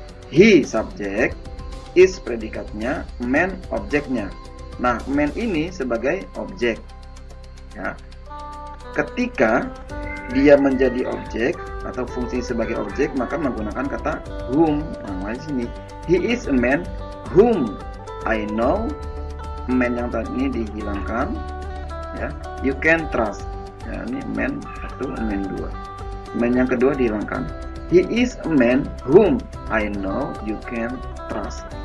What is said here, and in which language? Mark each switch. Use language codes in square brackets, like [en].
[id] He subjek, is predikatnya, man objeknya. Nah, man ini sebagai objek. Ya. Ketika dia menjadi objek atau fungsi sebagai objek, maka menggunakan kata whom. Namanya sini, [en] he is a man whom I know. [id] Man yang tadi ini dihilangkan. Ya, [en] you can trust. [id] Ya, ini man satu, man dua. Man yang kedua dihilangkan. [en] He is a man whom I know you can trust.